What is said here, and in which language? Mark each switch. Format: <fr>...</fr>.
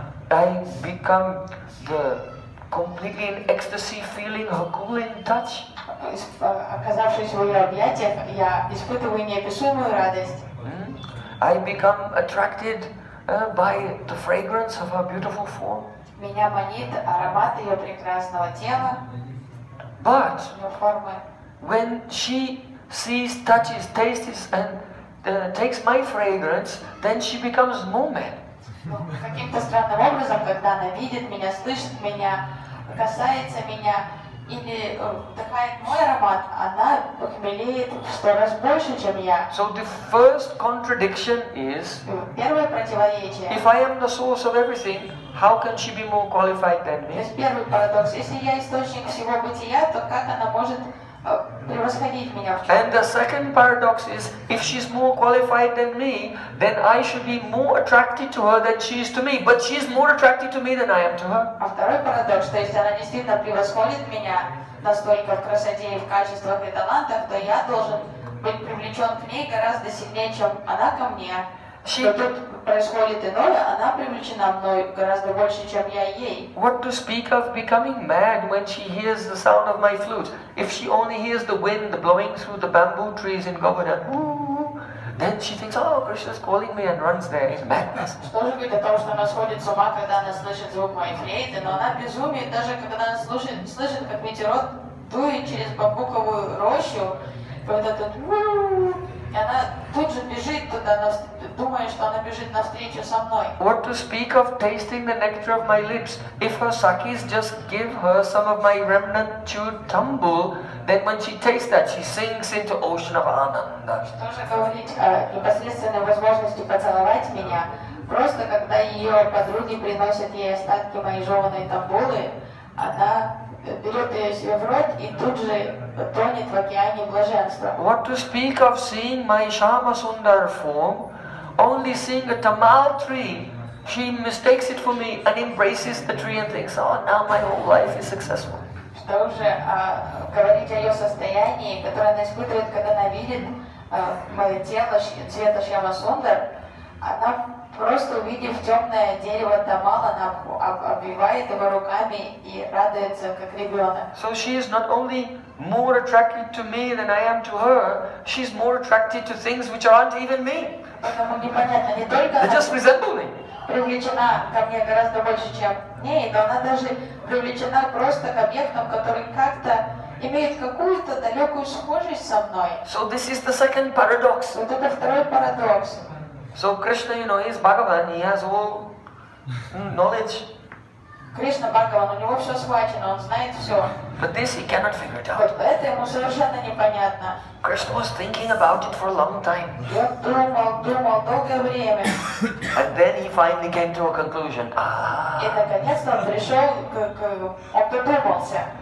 <en>I become the completely in ecstasy feeling her cooling touch. I become attracted by the fragrance of her beautiful form.</en> <ru>Меня манит аромат ее прекрасного тела.</ru> <en>But when she sees, touches, tastes, and takes my fragrance, then she becomes more mad.</en> <ru>Каким-то странным образом, когда она видит меня, слышит меня, касается меня или вдыхает мой аромат, она похмелеет в 100 раз больше, чем я.</ru> <en>So the first contradiction is,</en> <ru>первое противоречие.</ru> <en>If I am the source of everything, how can she be more qualified than me?</en> <ru>То есть первый парадокс. Если я источник всего бытия, то как она может превосходить меня в чем?</ru> <en>And the second paradox is, if she's more qualified than me, then I should be more attracted to her than she is to me. But she is more attracted to me than I am to her.</en> <ru>А второй парадокс, то есть она действительно превосходит меня настолько в красоте и в качествах и талантах, то я должен быть привлечен к ней гораздо сильнее, чем она ко мне.</ru> <en>She</en> <ru>тут происходит иное, она привлечена мной гораздо больше, чем я ей.</ru> <en>What to speak of becoming mad when she hears the sound of my flute? If she only hears the wind blowing through the bamboo trees in Govardhan, Then she thinks, oh, Krishna is calling me and runs there. It's madness.</en> <ru>Что же говорит о том, что она сходит с ума, когда она слышит звук моей флейты, но она безумие, даже когда она слышит, как ветерок дует через бамбуковую рощу, вот этот и она тут же бежит туда, думая, что она бежит навстречу со мной.</ru> <en>What to speak of tasting the nectar of my lips? If her sakis just give her some of my remnant chewed tumbul, then when she tastes that, she sinks into ocean of ananda.</en> <ru>Что же говорить о непосредственной возможности поцеловать меня? Просто когда ее подруги приносят ей остатки моей жеванной тамбулы, она берет ее себе в рот и тут же тонет в океане блаженства.</ru> <en>What to speak of seeing my Shama Sundar form, only seeing a tamal tree, she mistakes it for me and embraces the tree and thinks, oh, now my whole life is successful.</en> <ru>Что уже говорить о ее состоянии, которое она испытывает, когда она видит мое тело цвета Шьяма Сундар, она просто увидев темное дерево тамала, она обвивает его руками и радуется, как ребенок.</ru> <en>So she is not only more attracted to me than I am to her, she's more attracted to things which aren't even me.</en> <ru>Потому непонятно, не только</ru> <en>they just resemble me.</en> <ru>Привлечена ко мне гораздо больше, чем ней, но она даже привлечена просто к объектам, которые как-то имеют какую-то далекую схожесть со мной.</ru> <en>So this is the second paradox.</en> <ru>Вот это второй парадокс.</ru> <en>So Krishna, you know, he is Bhagavan, he has all knowledge.</en> <ru>Krishna Bhagavan, у него все схвачено, он знает все.</ru> <en>But this he cannot figure it out.</en> <ru>Вот это ему совершенно непонятно.</ru> <en>Krishna was thinking about it for a long time.</en> <ru>Я думал долгое время.</ru> <en>And then he finally came to a conclusion.</en> <ru>И наконец-то он пришел к он додумался.</ru>